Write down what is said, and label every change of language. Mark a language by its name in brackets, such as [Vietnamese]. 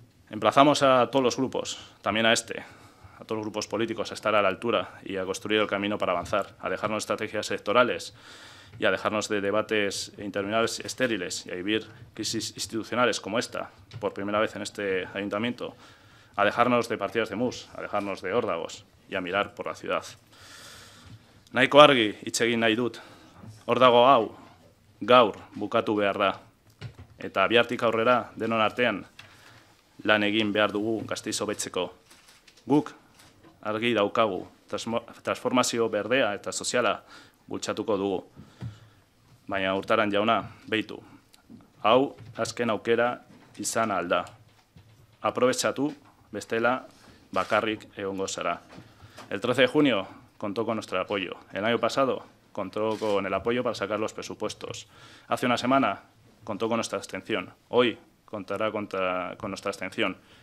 [Spanish] Emplazamos a todos los grupos, también a este, a todos los grupos políticos, a estar a la altura y a construir el camino para avanzar, a dejarnos estrategias electorales, y a dejarnos de debates interminables estériles y a vivir crisis institucionales como esta, por primera vez en este ayuntamiento, a dejarnos de partidas de mus, a dejarnos de órdagos y a mirar por la ciudad. [Basque] Nahiko argi hitz egin nahi dut, órdago hau gaur bukatu behar da, eta bihartik aurrera denon artean lan egin behar dugu Gasteiz hobetzeko. Guk argi daukagu transformazio berdea eta soziala bultzatuko dugu. Baina Urtaran jauna, beitu, hau azken aukera izan alda. Aprobetxatu, bestela, bakarrik egongo zara. [Spanish] El 13 de junio contó con nuestro apoyo. El año pasado contó con el apoyo para sacar los presupuestos. Hace una semana contó con nuestra abstención. Hoy contará con nuestra abstención.